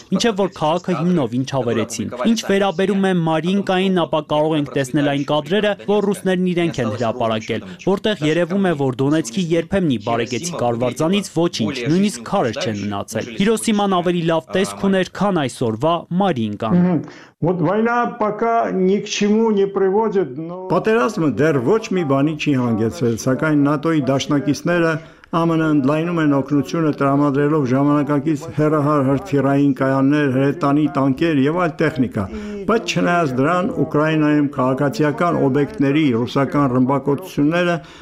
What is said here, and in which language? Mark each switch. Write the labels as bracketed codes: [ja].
[hy] ինչև որ քաղաքը հիմնով ինչ ավերեցին։ Ինչ վերաբերում է Մարինկային, ապա կարող ենք տեսնել այն կադրերը, որ ռուսներն իրենք են հրապարակել, որտեղ երևում է, որ Դոնեցկի երբեմնի բարեկեցի կարվարձանից ոչինչ, նույնիսկ քարեր չեն մնացել։ Հիրոսիման ավելի լավ տեսք ուներ, քան այսօրվա Մարինկան։ [ru] Вот война пока ни к чему не приводит, но [hy] Պատերազմը դեռ ոչ մի բանի չի հանգեցրել, սակայն ՆԱՏՕ-ի դաշնակիցները ԱՄՆ-ն ընդլայնում են օգնությունը տրամադրելով ժամանակակից հեռահար հրթիռային կայաններ, հրետանի տանկեր եւ այլ տեխնիկա։ Բայց չնայած դրան, Ուկրաինայում քաղաքացիական օբյեկտների ռուսական ռմբակոծությունները